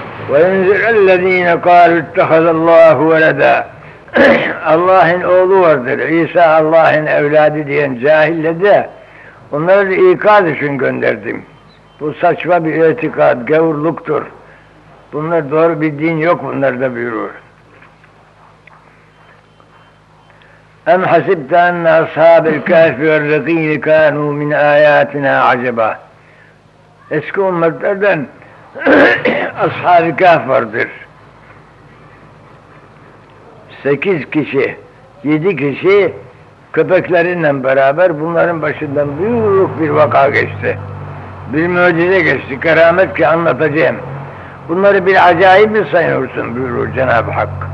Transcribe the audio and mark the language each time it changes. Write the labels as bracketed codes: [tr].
[ar] وَيُنْزِرَ الَّذ۪ينَ قَالُوا اتَّخَذَ اللّٰهُ وَلَدَا [tr] Allah'ın oğlu vardır, İsa Allah'ın evladı diyen cahille de onları da ikaz için gönderdim. Bu saçma bir itikad, gavurluktur. Bunlar doğru bir din yok bunlarda buyuruyor. [ar] اَمْ حَسِبْتَ اَنَّ أَصْحَابِ الْكَهْفِ وَالرَّقِيمِ كَانُوا مِنْ آيَاتِنَا عَجَبًا [tr] Eski ümmetlerden Ashab-ı Kehf vardır. 8 kişi, 7 kişi köpeklerinden beraber bunların başından büyük bir vaka geçti. Bir mucize geçti, keramet ki anlatacağım. Bunları bir acayip mi sayıyorsun buyurur Cenab-ı Hak.